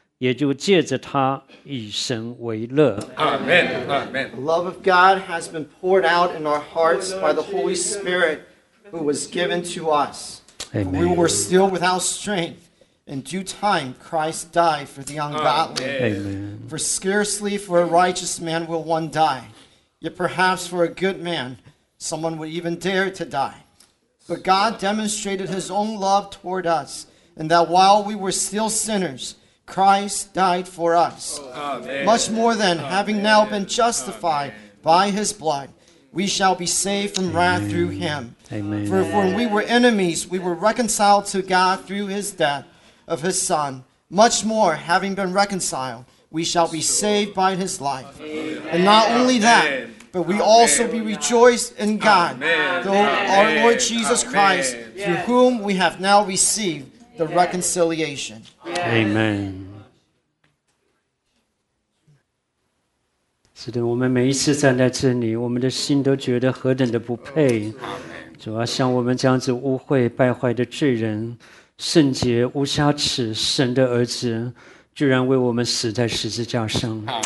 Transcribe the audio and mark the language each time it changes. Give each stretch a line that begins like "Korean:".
Chinese: 也就借着他以神为乐。Amen.
English: The love of God has been poured out in our hearts by the Holy Spirit who was given to us. Amen. We were still without strength. In due time, Christ died for the ungodly. Amen. For scarcely for a righteous man will one die, yet perhaps for a good man, someone would even dare to die. But God demonstrated his own love toward us, in that while we were still sinners, Christ died for us. Amen. Much more than having now been justified by his blood, we shall be saved from wrath through him. Amen. For when we were enemies, we were reconciled to God through his death of his son. Much more, having been reconciled, we shall be saved by his life. Amen. And not only that, but we also be rejoiced in God, through our Lord Jesus Christ, through whom we have now received the reconciliation. Amen.
Chinese: 是的，我们每一次站在这里，我们的心都觉得何等的不配。主啊，像我们这样子污秽败坏的罪人，圣洁无瑕疵神的儿子，居然为我们死在十字架上。